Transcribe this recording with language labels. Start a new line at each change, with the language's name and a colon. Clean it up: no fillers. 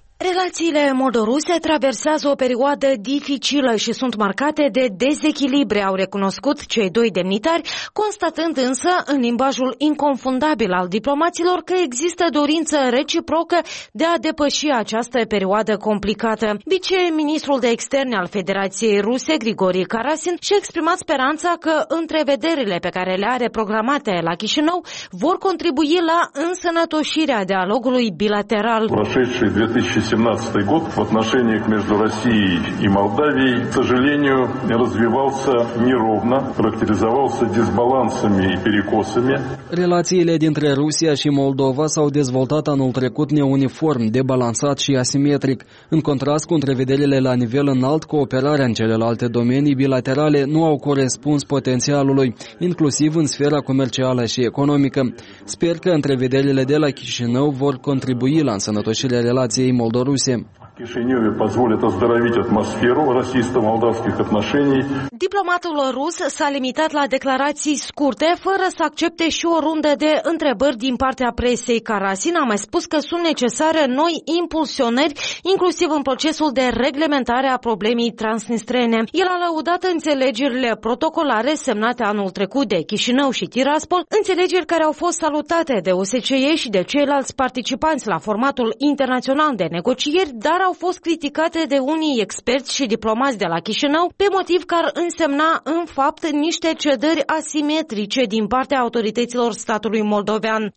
Romanian: Relațiile moldoruse traversează o perioadă dificilă și sunt marcate de dezechilibre, au recunoscut cei doi demnitari, constatând însă, în limbajul inconfundabil al diplomaților, că există dorință reciprocă de a depăși această perioadă complicată. Viceministrul de Externe al Federației Ruse, Grigori Karasin, și-a exprimat speranța că întrevederile pe care le are programate la Chișinău vor contribui la însănătoșirea dialogului bilateral.
Russian: 2017 год в отношениях между Россией и Молдавией, к сожалению, развивался неровно, характеризовался дисбалансами и перекосами.
Romanian: Relațiile dintre Rusia și Moldova s-au dezvoltat anul trecut neuniform, debalansat și asimetric. În contrast cu întrevederile la nivel înalt, cooperarea în celelalte domenii bilaterale nu au corespuns potențialului, inclusiv în sfera comercială și economică. Sper că întrevederile de la Chișinău vor contribui la însănătoșirea relației Moldoruse.
Russian: Кишиневе позволит оздоровить атмосферу российско-молдавских отношений.
Romanian: Diplomatul rus s-a limitat la declarații scurte, fără să accepte și o rundă de întrebări din partea presei. Karasin a mai spus că sunt necesare noi impulsionări, inclusiv în procesul de reglementare a problemei transnistrene. El a lăudat înțelegerile protocolare semnate anul trecut de Chișinău și Tiraspol, înțelegeri care au fost salutate de OSCE și de ceilalți participanți la formatul internațional de negocieri, dar au fost criticate de unii experți și diplomați de la Chișinău, pe motiv că ar însemna, în fapt, niște cedări asimetrice din partea autorităților statului moldovean.